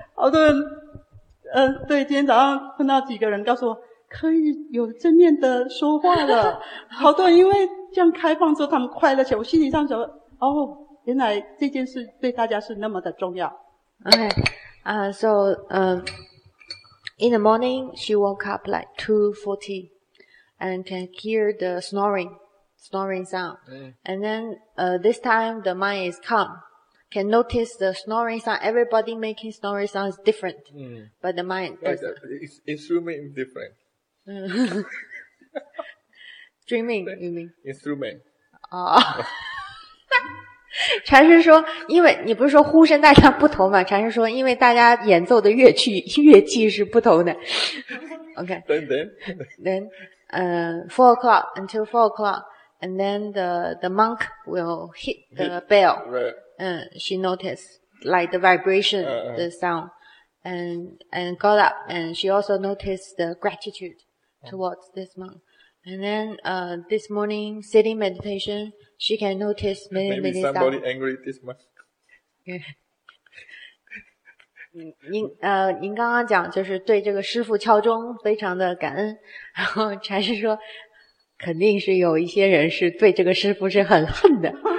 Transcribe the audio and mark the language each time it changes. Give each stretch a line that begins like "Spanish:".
Chinese: 好多人对，今天早上碰到几个人告诉我可以有正面的说话了。好多人因为这样开放之后他们快乐起来，我心理上想说哦，原来这件事对大家是那么的重要。
English: Okay, in the morning, she woke up like 2:40 and can hear the snoring sound. And then, this time the mind is calm. Can notice the snoring sound. Everybody making snoring sound is different. But the mind is instrument different. Dreaming, you mean? Instrument.
Chinese: 禅师说，因为你不是说呼声大小不同吗？禅师说，因为大家演奏的乐器是不同的。
English: OK. Then, 4 o'clock, until 4 o'clock. And then the monk will hit the bell. She noticed like the vibration, the sound, and got up, and she also noticed the gratitude towards this monk. And then, this morning, sitting meditation, she can notice many sounds. Maybe somebody angry this monk.
Chinese: 您刚刚讲就是对这个师父敲钟非常的感恩，然后禅师说肯定是有一些人是对这个师父是很恨的。